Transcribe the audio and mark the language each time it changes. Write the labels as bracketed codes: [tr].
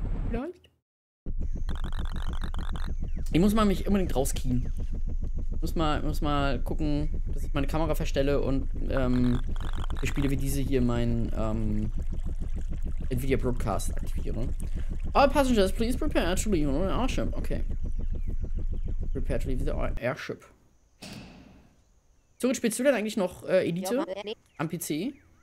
[de] Vielleicht? Ich muss mal mich unbedingt rauskriegen. Muss mal gucken, dass ich meine Kamera verstelle und Spiele wie diese hier meinen Nvidia Broadcast aktiviere. [en] All passengers, please prepare to leave on the airship. Okay. Prepare to leave the airship. [de] Zurück, spielst du denn eigentlich noch Elite am PC?